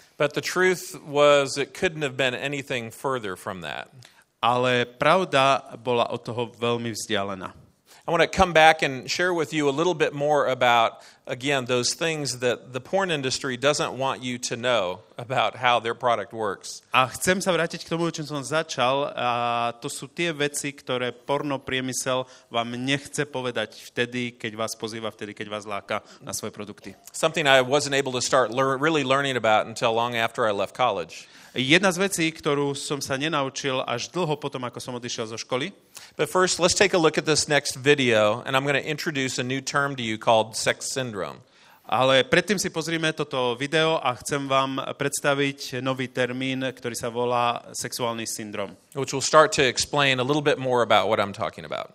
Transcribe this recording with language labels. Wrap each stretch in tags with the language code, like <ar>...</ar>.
<en>But the truth was it couldn't have been anything further from that.</en> <sk>Ale pravda bola od toho veľmi vzdialená.</sk> <en>I want to come back and share with you a little bit more about, again, those things that the porn industry doesn't want you to know about how their product works.</en> <sk>A chcem sa vrátiť k tomu, čo som začal, a to sú tie veci, ktoré porno priemysel vám nechce povedať vtedy, keď vás pozýva, vtedy, keď vás láka na svoje produkty.</sk> <en>Something I wasn't able to start really learning about until long after I left college.</en> <sk>Jedna z vecí, ktorú som sa nenaučil až dlho potom, ako som odišiel zo školy.</sk> <en>But first, let's take a look at this next video, and I'm going to introduce a new term to you called sex syndrome.</en> <sk>Ale predtým si pozrime toto video a chcem vám predstaviť nový termín, ktorý sa volá sexuálny syndrom.</sk> <en>Which will start to explain a little bit more about what I'm talking about.</en>